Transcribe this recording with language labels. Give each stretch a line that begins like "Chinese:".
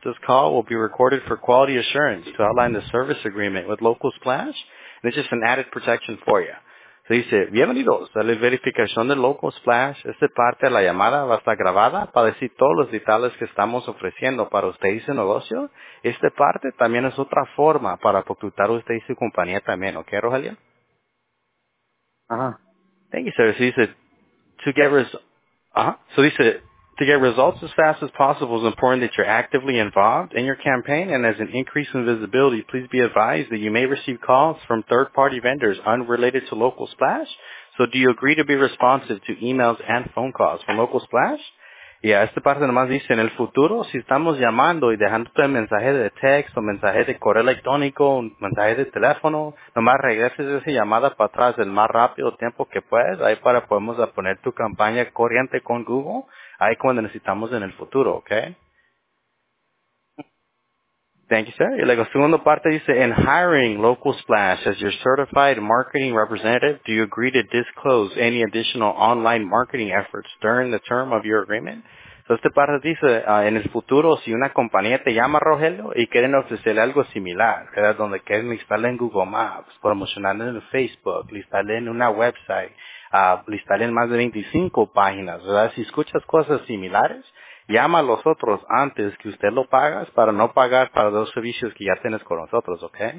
English: This call will be recorded for quality assurance to outline the service agreement with Local Splash. And it's just an added protection for you.
Spanish: Se dice, bienvenidos a la verificación de Local Splash. Esta parte de la llamada va a estar grabada para decir todos los detalles que estamos ofreciendo para usted y su negocio. Esta parte también es otra forma para facturar usted y su compañía también, ¿ok, Rogelio? Ajá.
English: Thank you, sir.
Spanish: Se dice,
English: to get results as fast as possible is important that you're actively involved in your campaign, and as an increase in visibility, please be advised that you may receive calls from third-party vendors unrelated to Local Splash. So do you agree to be responsive to emails and phone calls from Local Splash? Yeah,
Spanish: esta parte nomás dice, en el futuro, si estamos llamando y dejando un mensaje de texto, mensaje de correo electrónico, un mensaje de teléfono, nomás regreses esa llamada para atrás el más rápido tiempo que puedes, ahí para podemos poner tu campaña corriente con Google, ahí cuando necesitamos en el futuro, ¿ok?
English: Thank you, sir.
Spanish: Y luego, segunda parte dice,
English: in hiring Local Splash as your certified marketing representative, do you agree to disclose any additional online marketing efforts during the term of your agreement?
Spanish: So, esta parte dice, en el futuro, si una compañía te llama, Rogelio, y quieren ofrecerle algo similar, ¿verdad? Donde quieren listarle en Google Maps, promocionarle en Facebook, listarle en una website, listarle en más de 25 páginas, ¿verdad? Si escuchas cosas similares, llama a los otros antes que usted lo pagas para no pagar para los servicios que ya tienes con nosotros, ¿ok?